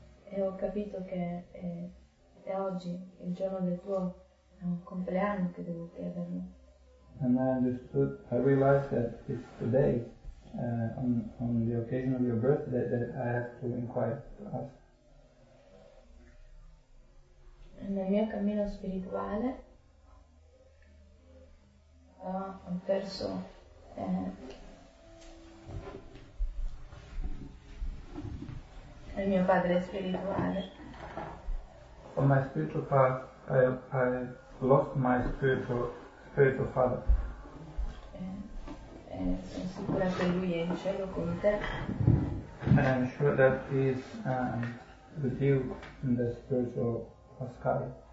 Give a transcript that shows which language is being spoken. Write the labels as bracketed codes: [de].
[it] E ho capito che è oggi il giorno del tuo compleanno che devo chiederlo. [en] And I realized that it's today, on the occasion of your birthday, that I have to inquire to ask. [it] Nel mio cammino spirituale ho perso il mio padre spirituale. [en] On my spiritual path, I lost my spiritual father. [it] Sono sicura che lui è in cielo con te. [en] And I'm sure that he is with you in the spiritual sky.